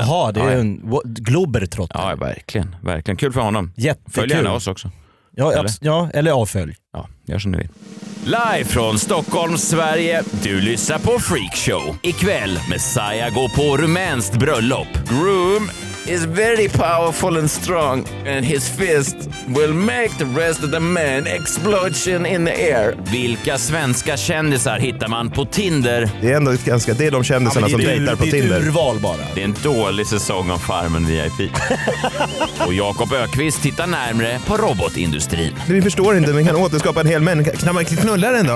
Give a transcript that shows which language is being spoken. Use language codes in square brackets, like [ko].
[sv] Jaha, det är en globertrotter. Ja, verkligen. Verkligen. Kul för honom. Jättekul. Följ gärna oss också. Ja, eller avfölj. Ja, gör som ni vill. Live från Stockholm, Sverige. Du lyssnar på Freak Show. Ikväll, Messiah går på rumänskt bröllop. [en] Groom is very powerful and strong. And his fist will make the rest of the men explosion in the air. [sv] Vilka svenska kändisar hittar man på Tinder? Det är ändå ganska, det är de kändisarna, ja, är som dejtar på Tinder. Det är urval bara. Det är en dålig säsong av Farmen VIP. Och Jakob Ökvist tittar närmare på robotindustrin. Vi förstår inte, men kan återskapa en hel människa. Kan man knulla den då?